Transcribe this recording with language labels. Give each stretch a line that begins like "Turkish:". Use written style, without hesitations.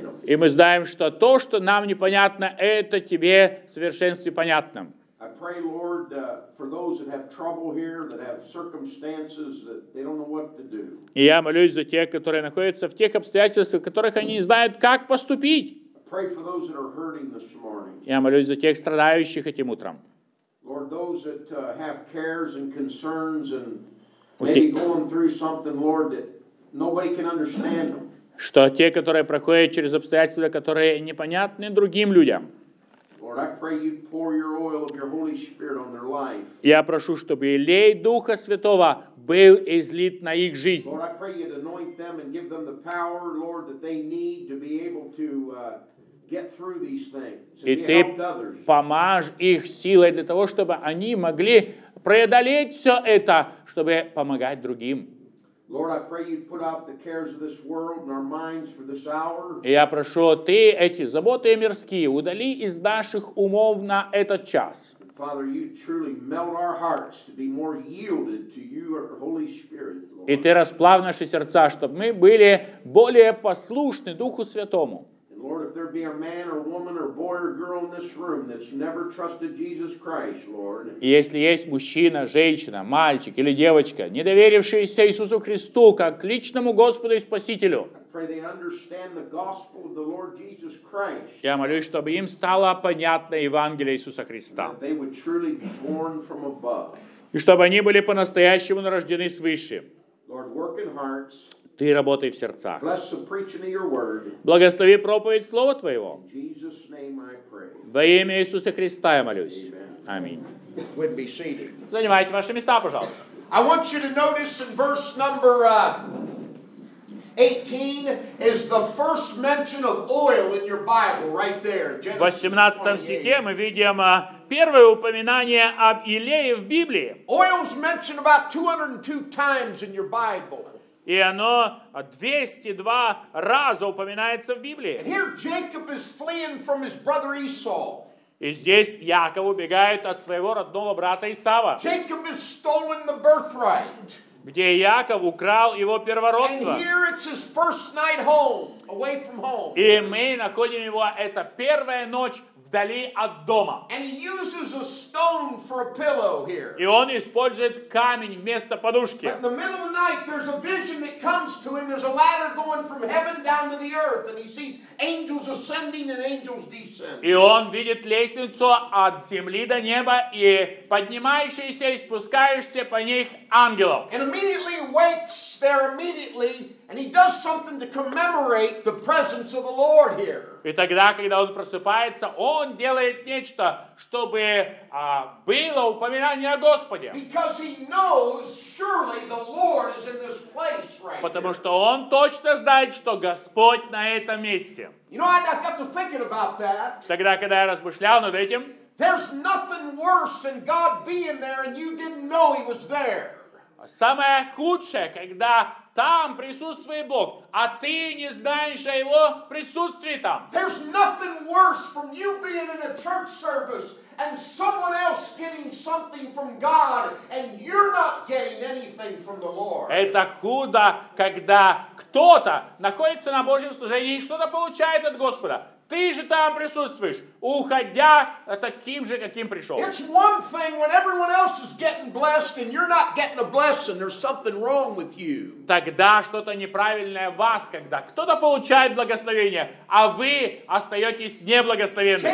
Russian: И мы знаем, что то, что нам непонятно, это тебе в совершенстве понятно.
English: I pray, Lord, for those that have trouble here, that have circumstances that they don't know what to do.
Russian: И я молюсь за тех, которые находятся в тех обстоятельствах, в которых они не знают, как поступить.
English: I pray for those that are hurting this morning.
Russian: Я молюсь за тех страдающих этим утром.
English: Lord, those that have cares and concerns and maybe going through something, Lord, that nobody can understand them.
Russian: Что те, которые проходят через обстоятельства, которые непонятны другим людям.
English: Lord, I pray you pour your oil of your Holy Spirit on their life.
Russian: Я прошу, чтобы елей Духа Святого был излит на их жизнь.
English: Lord, I pray you anoint them and give them the power, Lord, that they need to be able to get through these things.
Russian: И ты помажь их силой для того, чтобы они могли преодолеть все это, чтобы помогать другим.
English: Lord, I pray you put out the cares of this world in our minds for this hour.
Russian: И я прошу, ты эти заботы мирские удали из наших умов на этот час.
English: Father, you truly melt our hearts to be more yielded to you, our Holy Spirit.
Russian: И ты расплавь наши сердца, чтобы мы были более послушны Духу Святому.
English: Lord, if there be a man or woman or boy or girl in this room that's never trusted Jesus Christ, Lord.
Russian: Если есть мужчина, женщина, мальчик или девочка, не доверившиеся Иисусу Христу как личному Господу и Спасителю.
English: I pray they understand the gospel of the Lord Jesus Christ.
Russian: Я молюсь, чтобы им стало понятно Евангелие Иисуса Христа.
English: They would truly be born from above.
Russian: И чтобы они были по-настоящему нарождены свыше.
English: Lord, work in hearts.
Russian: Ты работай в сердцах.
English: Bless the preaching of your word.
Russian: Благослови проповедь Слова Твоего.
English: In Jesus' name I pray.
Russian: Во имя Иисуса Христа я молюсь.
English: Amen.
Russian: Аминь.
English: We'd be seated.
Russian: Занимайте ваши места, пожалуйста.
English: I want you to notice in verse number 18 is the first mention of oil in your Bible right there.
Russian: В 18 стихе мы видим первое упоминание об елее в Библии.
English: Oil is mentioned about 202 times in your Bible.
Russian: И оно 202 раза упоминается в Библии.
English: And here Jacob is fleeing from his brother Esau.
Russian: И здесь Яков убегает от своего родного брата Исава.
English: Jacob has stolen the birthright.
Russian: Где Яков украл его первородство.
English: And here it's his first night home, away from home.
Russian: И мы находим его, это первая ночь вдали от дома.
English: And he uses a stone for a pillow here.
Russian: И он использует камень вместо подушки.
English: But in the middle of the night, there's a vision that comes to him. There's a ladder going from heaven down to the earth, and he sees angels ascending and angels descending.
Russian: И он видит лестницу от земли до неба и поднимающиеся и спускающиеся по ней ангелов.
English: immediately wakes there immediately, and he does something to commemorate the presence of the Lord here.
Russian: И тогда, когда он просыпается, он делает нечто, чтобы было упоминание о Господе.
English: Because he knows surely the Lord is in this place right.
Russian: Потому что он точно знает, что Господь на этом месте.
English: You know, I've got to thinking about that.
Russian: Тогда, когда я размышлял над этим.
English: There's nothing worse than God being there and you didn't know he was there.
Russian: Самое худшее, когда там присутствует Бог, а ты не знаешь о его присутствии там.
English: There's nothing worse from you being in a church service and someone else getting something from God and you're not getting anything from the Lord.
Russian: Это худо, когда кто-то находится на Божьем служении и что-то получает от Господа. Ты же там присутствуешь, уходя таким же, каким пришел.
English: It's one thing when everyone else is getting blessed and you're not getting a blessing. There's something wrong with you.
Russian: Тогда что-то неправильное в вас, когда кто-то получает благословение, а вы остаетесь неблагословенным.